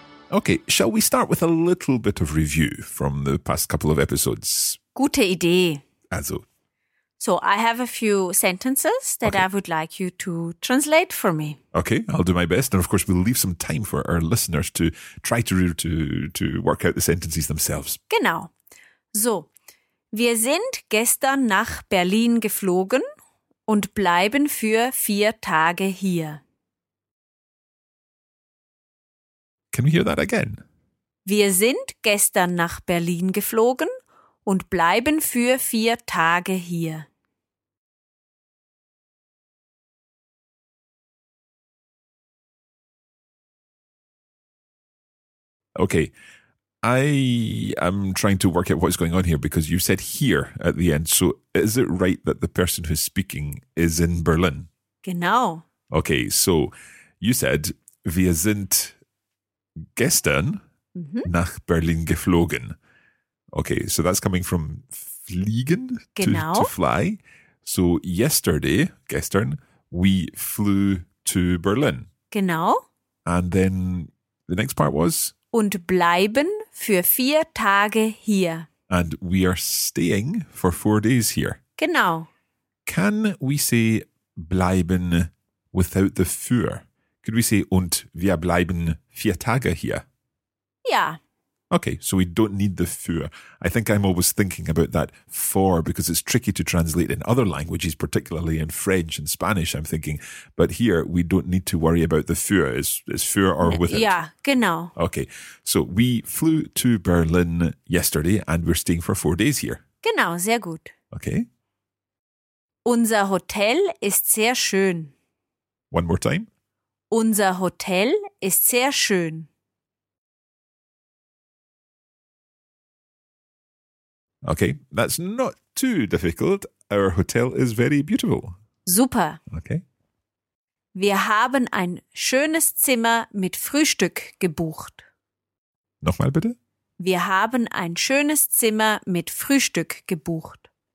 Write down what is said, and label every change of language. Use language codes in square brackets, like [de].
[en] Okay, shall we start with a little bit of review from the past couple of episodes? [de] Gute Idee. Also. [en] So, I have a few sentences that okay. I would like you to translate for me. Okay, I'll do my best. And of course, we'll leave some time for our listeners to try to work out the sentences themselves. [de] Genau. So. Wir sind gestern nach Berlin geflogen und bleiben für 4 Tage hier. [en] Can we hear that again? [de] Wir sind gestern nach Berlin geflogen und bleiben für 4 Tage hier. [en] Okay. I am trying to work out what's going on here because you said here at the end. So is it right that the person who's speaking is in Berlin? [de] Genau. [en] Okay, so you said, [de] wir sind gestern nach Berlin geflogen. [en] Okay, so that's coming from fliegen [de] genau. [en] to fly. So yesterday, gestern, we flew to Berlin. [de] Genau. [en] And then the next part was? [de] Und bleiben für 4 Tage hier. [en] And we are staying for 4 days here. [de] Genau. [en] Can we say bleiben without the für? Could we say [de] und wir bleiben 4 Tage hier? Ja. [en] Okay, so we don't need the für. I think I'm always thinking about that for because it's tricky to translate in other languages, particularly in French and Spanish, I'm thinking. But here, we don't need to worry about the für. Is für or without? Yeah, genau. Okay, so we flew to Berlin yesterday and we're staying for 4 days here. [de] Genau, sehr gut. [en] Okay. [de] Unser Hotel ist sehr schön. [en] One more time. [de] Unser Hotel ist sehr schön. [en] Okay, that's not too difficult. Our hotel is very beautiful. [de] Super. [en] Okay. [de] Wir haben ein schönes Zimmer mit Frühstück gebucht. Nochmal bitte? Wir haben ein schönes Zimmer mit Frühstück gebucht.